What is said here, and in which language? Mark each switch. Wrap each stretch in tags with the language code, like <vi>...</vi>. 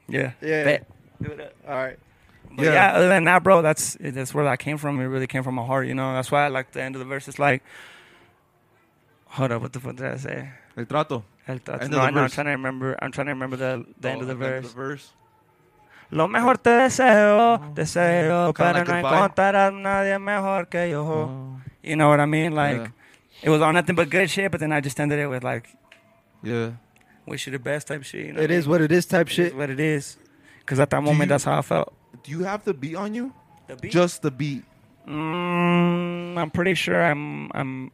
<en>Yeah. Yeah. Bet. All right. But yeah. Other than that, bro, that's where that came from. It really came from my heart, you know. That's why, like, the end of the verse is like. Hold up. What the fuck did I say?</en> <es>El trato. El trato.</es> <en>No, I'm trying to remember. I'm trying to remember the end of the verse. The verse.</en> <es>Lo mejor te deseo, deseo, pero no encontrarás nadie mejor que yo.</es> <en>You know what I mean? Like, yeah. It was all nothing but good shit, but then I just ended it with, like, yeah, wish you the best type shit. You know it is what it is type shit. It is what it is. Because at that moment, that's how I felt. Do you have the beat on you? The beat? Just the beat. I'm pretty sure I'm</en>